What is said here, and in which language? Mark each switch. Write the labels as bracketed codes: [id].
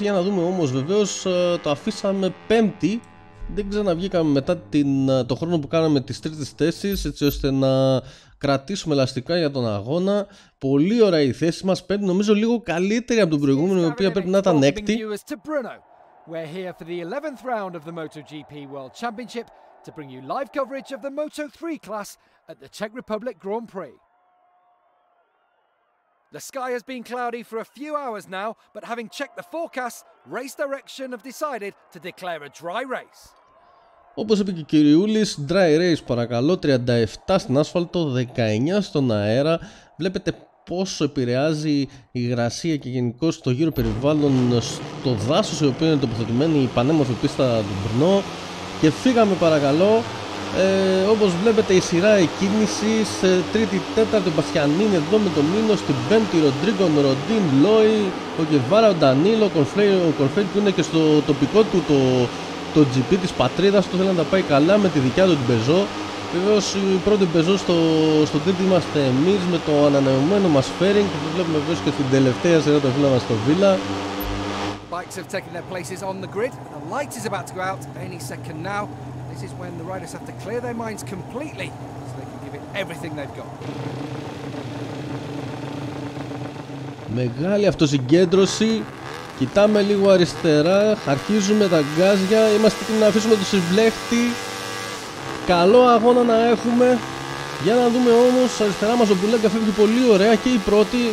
[el] Για να δούμε όμως, βεβαίως το αφήσαμε πέμπτη. Δεν ξαναβγήκαμε μετά το χρόνο που κάναμε τις τρίτες θέσεις, έτσι ώστε να κρατήσουμε ελαστικά για τον αγώνα. Πολύ ωραία η θέση μας, πέμπτη, νομίζω λίγο καλύτερη από τον προηγούμενο, η οποία πρέπει να ήταν έκτη. [en] We're here for the 11th round of the MotoGP World Championship to bring you live coverage of the Moto3 class at the Czech Republic Grand Prix. The sky has been cloudy for a few hours now, but having checked the forecast, race direction have decided to declare a dry race. [el] Όπως είπε και ο Κυριούλης, dry race παρακαλώ, 37 στην άσφαλτο, 19 στον αέρα. Βλέπετε πόσο επηρεάζει η υγρασία και γενικώς το γύρο περιβάλλον στο δάσος σε οποίο είναι τοποθετημένη η πανέμορφη πίστα του Μπρνό. Και φύγαμε, παρακαλώ. Όπως βλέπετε, η σειρά εκκίνησης, τρίτη, τέταρτη, ο Μπαστιανίνη εδώ με το Μίνο, στην πέμπτη, Ροντρίγκο, Ροντίν, Λόι, ο Γκεβάρα, ο Ντανίλο, ο Κορφέλ που είναι και στο τοπικό του το GP της πατρίδας του, θέλει να τα πάει καλά με τη δικιά του την Πεζό. Βεβαίως η πρώτη Πεζό στο τρίτη είμαστε εμείς με το ανανεωμένο μας φέρινγκ, και το βλέπουμε βεβαίως και στην τελευταία σειρά το φίλο μας στο Βίλα. [en] Bikes have taken their places on the grid. The light is about to go out any second now. This is when the riders have to clear their minds completely so they can give it everything they've got. [el] Μεγάλη αυτοσυγκέντρωση. Κοιτάμε λίγο αριστερά. Αρχίζουμε τα γκάζια. Είμαστε έτοιμοι να αφήσουμε το συμπλέχτη. Καλό αγώνα να έχουμε. Για να δούμε όμως, αριστερά μας ο Μπουλέγκα φεύγει πολύ ωραία και η πρώτη.